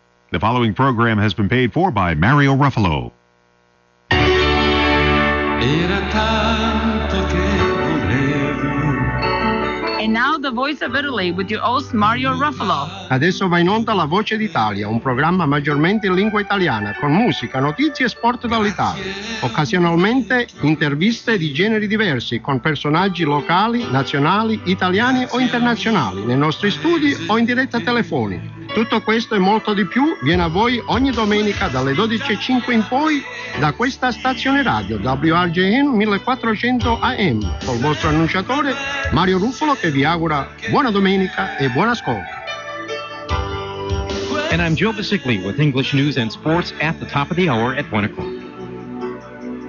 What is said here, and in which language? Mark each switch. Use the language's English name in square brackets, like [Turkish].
[English] The following program has been paid for by Mario Ruffalo. And now the voice of Italy with your host Mario Ruffalo. [Italian] Adesso va in onda la voce d'Italia, un programma maggiormente in lingua italiana con musica, notizie e sport dall'Italia. Occasionalmente interviste di generi diversi con personaggi locali, nazionali, italiani o internazionali, nei nostri studi o in diretta telefonica. Tutto questo e molto di più viene a voi ogni domenica dalle 12.05 in poi da questa stazione radio WRJN 1400 AM col vostro annunciatore Mario Ruffalo che vi augura buona domenica e buon ascolto. [English] And I'm Joe Basicli with English News and Sports at the top of the hour at 1 o'clock.